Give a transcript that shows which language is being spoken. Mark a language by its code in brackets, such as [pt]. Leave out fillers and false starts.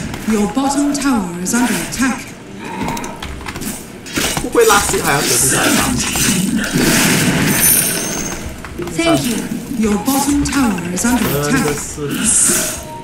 [en] Your bottom tower is under attack. [zh] 不会拉稀还要学第三招 ？ [en] Thank you. Your bottom tower is under attack.